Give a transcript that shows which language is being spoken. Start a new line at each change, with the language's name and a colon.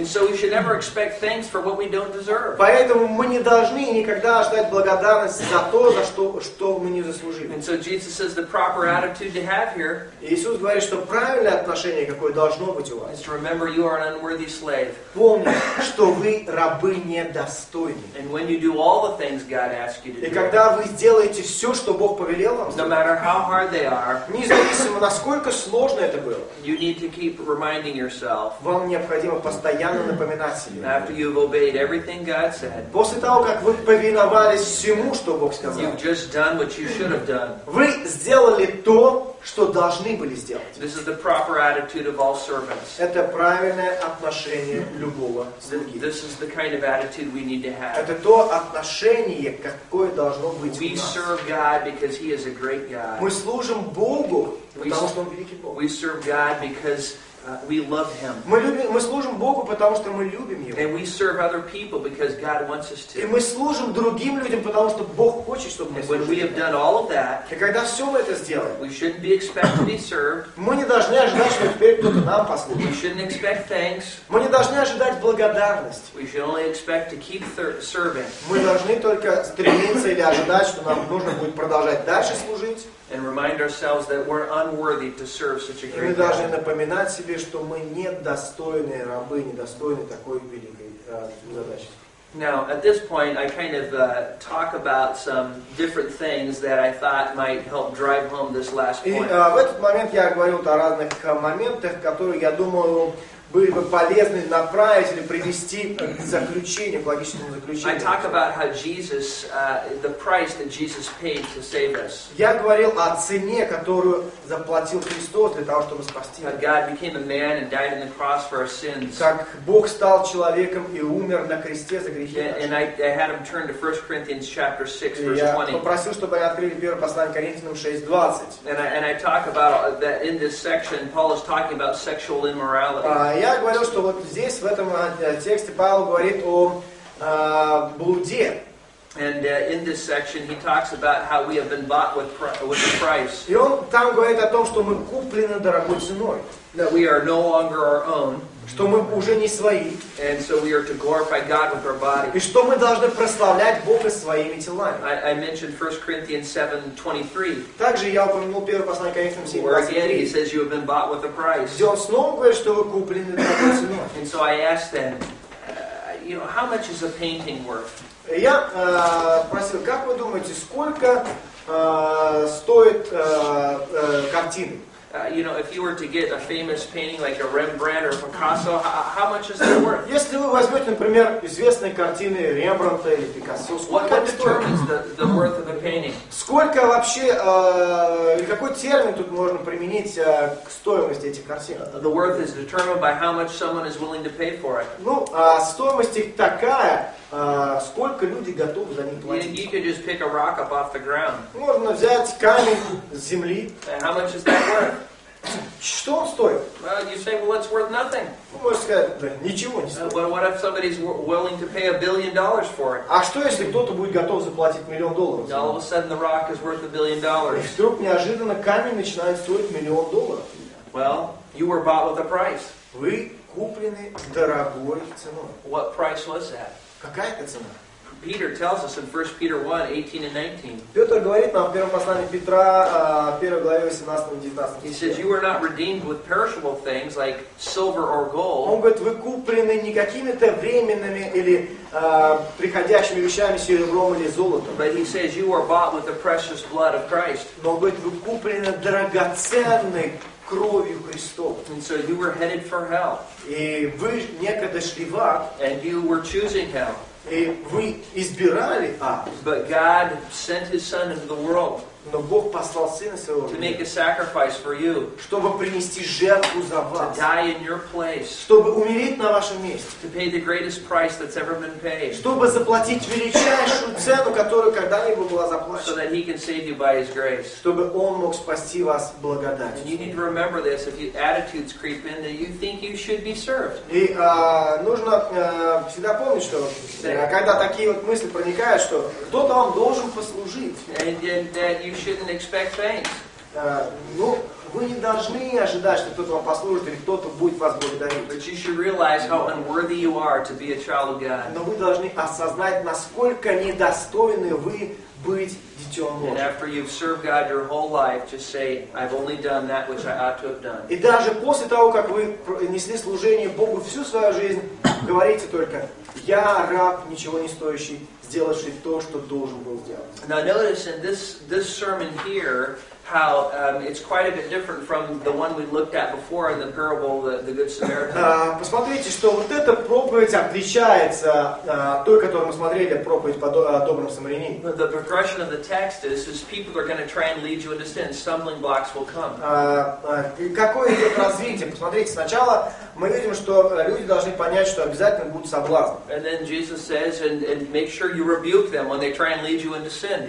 English: And so we should never expect thanks for what we don't deserve.
Russian: Поэтому мы не должны никогда ожидать благодарность за то, за что, что мы не заслужили.
English: And so Jesus says the proper attitude to have here.
Russian: Иисус говорит, что правильное отношение, какое должно быть у вас.
English: Is to remember you are an unworthy slave.
Russian: Помни, что вы рабы недостойны.
English: And when you do all the things God asks you to do.
Russian: И когда вы сделаете все, что Бог повелел вам.
English: No matter how hard they are.
Russian: Независимо, насколько сложно это было.
English: You need to keep reminding yourself.
Russian: Вам необходимо постоянно напоминать себе.
English: After you've obeyed everything God said.
Russian: После того, как вы повиновались всему, что Бог сказал.
English: You've just done what you should have done.
Russian: Вы сделали то, что должны были сделать.
English: This is the proper attitude of all servants.
Russian: Это правильное отношение любого слуги.
English: This is the kind of attitude we need to have.
Russian: Это то отношение, какое должно быть
English: we
Russian: у нас.
English: We serve God because He is a great God.
Russian: Мы служим Богу, потому что Он великий Бог.
English: We serve God because we love Him.
Russian: Мы служим Богу, потому что мы любим Его.
English: And we serve other people because God wants us to.
Russian: И мы служим другим людям, потому что Бог хочет, чтобы мы служили.
English: And when we have done all of that,
Russian: и когда все мы это сделали,
English: we shouldn't be expect to be served.
Russian: Мы не должны ожидать, что теперь кто-то нам послужит.
English: We shouldn't expect thanks.
Russian: Мы не должны ожидать благодарности.
English: We should only expect to keep serving.
Russian: Мы должны только стремиться или ожидать, что нам нужно будет продолжать дальше служить.
English: and remind ourselves that we're unworthy to serve such a great
Russian: God. Мы должны напоминать себе, что мы недостойные рабы, недостойны такой великой задачи.
English: Now, at this point, I kind of talk about some different things that I thought might help drive home this last point.
Russian: И в этот момент я говорю о разных моментах, которые, я думаю, были бы полезны направить или привести к заключению, к логическому заключению.
English: I talk about how Jesus, the price that Jesus paid to save us.
Russian: Я говорил о цене, которую заплатил Христос для того, чтобы спасти нас.
English: God became a man and died on the cross for our sins.
Russian: Как Бог стал человеком и умер на кресте за грехи наши.
English: And I had him turn to 1 Corinthians chapter 6, verse
Russian: 20. Я попросил, чтобы они открыли первое послание Коринфянам 6:20.
English: And I talk about that in this section, Paul is talking about sexual immorality.
Russian: Я говорю, что вот здесь, в этом тексте, Павел говорит о блуде.
English: And in this section he talks about how we have been bought with a price.
Russian: И он там говорит о том, что мы куплены дорогой ценой.
English: That we are no longer our own.
Russian: Что мы уже не свои.
English: And so we are to glorify God with our body.
Russian: И что мы должны прославлять Бога своими телами.
English: I mentioned 1 Corinthians 7:23.
Russian: Также я упомянул первое послание Коринфянам 7:23.
English: Where he says you have been bought with a price.
Russian: Где он снова говорит, что вы куплены дорогой ценой.
English: And so I asked them, you know, how much is a painting worth?
Russian: Я спросил, как вы думаете, сколько стоит картина?
English: You know, if you were to get a famous painting like a Rembrandt or Picasso, how much is that worth?
Russian: Если вы возьмете, например, известные картины Рембрандта или Пикассо, сколько это стоит?
English: What determines the worth of the painting?
Russian: Сколько вообще, какой термин тут можно применить к стоимости этих картин?
English: The worth is determined by how much someone is willing to pay for it.
Russian: Ну, стоимость их такая, сколько люди готовы за них платить?
English: You could just pick a rock up off the ground.
Russian: Можно взять камень с земли.
English: And how much is that worth?
Russian: Что он стоит?
English: Well, you say, well, it's worth nothing.
Russian: Вы можете сказать, да, ничего не стоит.
English: But what if somebody's willing to pay $1 billion for it?
Russian: А что если кто-то будет готов заплатить $1 million?
English: All of a sudden, the rock is worth $1 billion.
Russian: И вдруг неожиданно камень начинает стоить $1 million.
English: Well, you were bought with a price.
Russian: Вы куплены дорогой ценой.
English: What price was that?
Russian: Какая это цена?
English: Peter tells us in 1 Peter 1:18-19.
Russian: Петр говорит нам в первом послании Петра, 1 главе 18-19.
English: He says, "You were not redeemed with perishable things like silver or gold."
Russian: Он говорит, вы куплены не какими-то временными или приходящими вещами, серебром или золотом.
English: But he says, "You are bought with the precious blood of Christ."
Russian: Но он говорит, вы куплены драгоценной кровью Христовой.
English: And so you were headed for hell.
Russian: И вы некогда шли в ад.
English: And you were choosing hell.
Russian: И вы избирали ад.
English: But God sent His Son into the world.
Russian: Но Бог послал Сына Своего.
English: To make a sacrifice for you.
Russian: Чтобы принести жертву за вас.
English: To die in your place.
Russian: Чтобы умереть на вашем месте.
English: To pay the greatest price that's ever been paid.
Russian: Чтобы заплатить величайшую цену, которую когда-либо была заплачена.
English: So that He can save you by His grace.
Russian: Чтобы Он мог спасти вас благодатью.
English: You need to remember this if your attitudes creep in that you think you should be served.
Russian: И нужно всегда помнить, что когда такие вот мысли проникают, что кто-то вам должен послужить.
English: You shouldn't expect thanks.
Russian: Ну, вы не должны ожидать, что кто-то вам послужит или кто-то будет вас благодарить.
English: But you should realize how unworthy you are to be a child of God.
Russian: Но вы должны осознать, насколько недостойны вы быть детем Божьим.
English: And after you've served God your whole life, just say, I've only done that which I ought to have done.
Russian: И даже после того, как вы несли служение Богу всю свою жизнь, говорите только, я раб, ничего не стоящий. Сделавший то, что должен был сделать.
English: Now notice in this sermon here how it's quite a bit different from the one we looked at before in the parable of the Good Samaritan.
Russian: Посмотрите, что вот эта проповедь отличается от той, которую мы смотрели, проповедь о добром самарянине.
English: The progression of the text is people are going to try and lead you into sin. Stumbling blocks will come.
Russian: Какое идет развитие? Посмотрите, сначала мы видим, что люди должны понять, что обязательно будут соблазны.
English: And then Jesus says, and make sure you rebuke them when they try and lead you into sin.